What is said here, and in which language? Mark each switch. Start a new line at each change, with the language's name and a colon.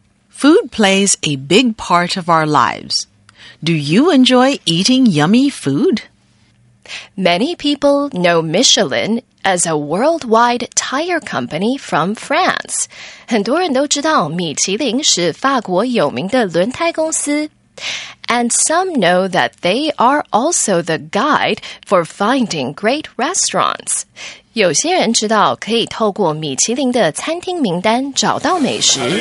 English: Food plays a big part of our lives. Do you enjoy eating yummy food? Many people know Michelin as a worldwide tire company from France.
Chinese: 很多人都知道米其林是法国有名的轮胎公司。
English: And some know that they are also the guide for finding great restaurants.
Chinese: 有些人知道可以透过米其林的餐厅名单找到美食。